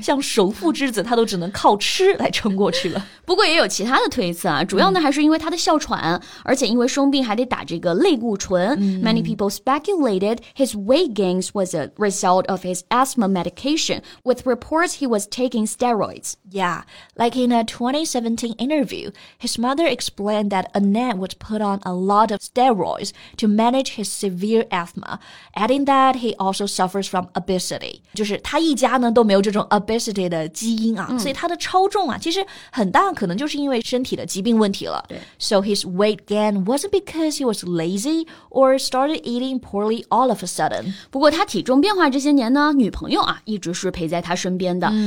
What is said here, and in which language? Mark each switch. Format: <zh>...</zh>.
<zh>像首富之子他都只能靠吃来撑过去了。不过也有其他的推测啊，主要呢还是因为他的哮喘，而且因为生病还得打这个类固醇。</zh> <en>Many people speculated his weight gains was a result of his asthma medication, with reports he was taking steroids. Yeah, like in a 2017 interview, his mother explained that Annette would put on a lot of steroids to manage his severe asthma, adding that he also suffers from obesity.</en> <zh>就是他一家呢都没有这种 obesity 的基因啊，所以他的超重啊其实很大可能就是因为身体的疾病问题了。</zh> <en>So his weight gain wasn't because he was lazy or started eating poorly all of a sudden.</en> <zh>不过他体重变化这些年呢，女朋友啊一直是陪在他身边的。</zh>